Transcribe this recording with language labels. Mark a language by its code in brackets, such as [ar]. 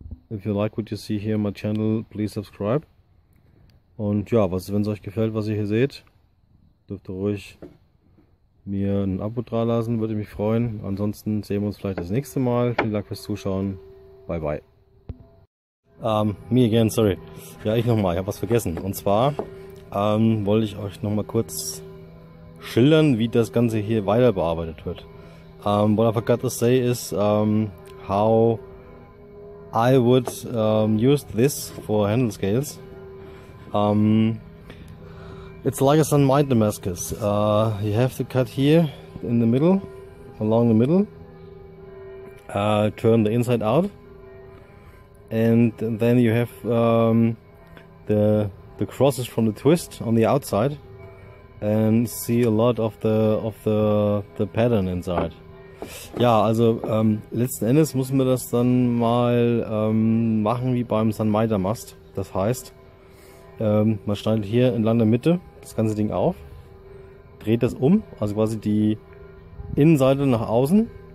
[en] If you like what you see here on my channel, please subscribe. [de] Und ja, was, wenn es euch gefällt, was ihr hier seht, dürft ihr ruhig mir ein Abo da lassen, würde mich freuen. Ansonsten sehen wir uns vielleicht das nächste Mal. Vielen Dank fürs Zuschauen. [en] Bye bye. Me again, sorry. [de] Ja, ich nochmal, ich habe was vergessen. Und zwar wollte ich euch nochmal kurz schildern, wie das Ganze hier weiter bearbeitet wird. [en] What I forgot to say is how I would use this for handle scales. It's like a sunlight Damascus. You have to cut here in the middle, along the middle, turn the inside out, and then you have the crosses from the twist on the outside, and see a lot of the pattern inside. [de] Ja, also letzten Endes müssen wir das dann mal machen wie beim Sunmiter Mast. Das heißt, man schneidet hier entlang der Mitte das ganze Ding auf, dreht das um, also quasi die Innenseite nach außen.